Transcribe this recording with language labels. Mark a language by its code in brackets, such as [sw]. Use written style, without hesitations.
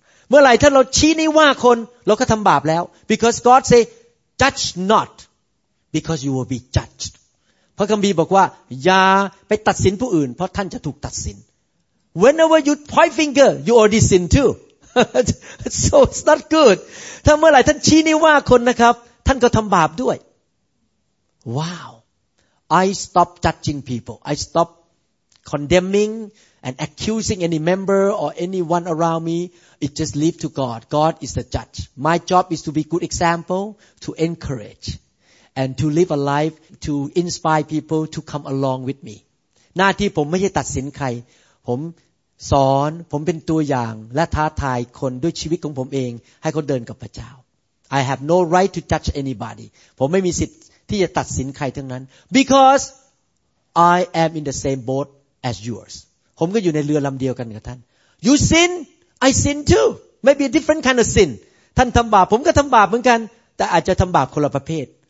[th] เมื่อไหร่ถ้าเราชี้นิ้วว่าคนเราก็ทำบาปแล้ว [en] Because God say, judge not, because you will be judged. [th] พระคัมภีร์บอกว่าอย่าไปตัดสินผู้อื่นเพราะท่านจะถูกตัดสิน [en] Whenever you point finger, you already sin too. So it's not good. [th] ถ้าเมื่อไหร่ท่านชี้นิ้วว่าคนนะครับท่านก็ทำบาปด้วย Wow. [en] I stop judging people. I stop condemning and accusing any member or anyone around me. It just leave to God. God is the judge. My job is to be good example, to encourage, and to live a life to inspire people to come along with me. [th] หน้าที่ผมไม่ใช่ตัดสินใครผมสอนผมเป็นตัวอย่างและท้าทายคนด้วยชีวิตของผมเองให้เขาเดินกับพระเจ้า [en] I have no right to judge anybody [th] ผมไม่มีสิทธิ์ที่จะตัดสินใครทั้งนั้น [en] because I am in the same boat as yours [th] ผมก็อยู่ในเรือลำเดียวกันกับท่าน [en] You sin I sin too maybe a different kind of sin [th] ท่านทำบาปผมก็ทำบาปเหมือนกันแต่อาจจะทำบาปคนละประเภท